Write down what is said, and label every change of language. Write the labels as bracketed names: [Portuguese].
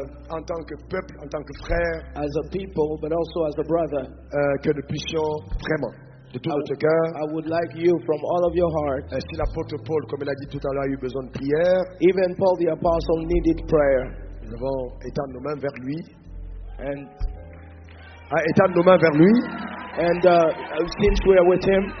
[French] en tant que peuple, en tant que frère, [English] as a people, but also as a brother, [French] que nous puissions vraiment. De tout notre cœur. [English] I would like you from all of your heart. [French] Si l'apôtre Paul, comme il a dit tout à l'heure, a eu besoin de prière. [English] Even Paul the apostle needed prayer. [French] Nous devons étendre nos mains vers lui. [English] And [French] étendre nos mains vers lui. [English] And since we are with him,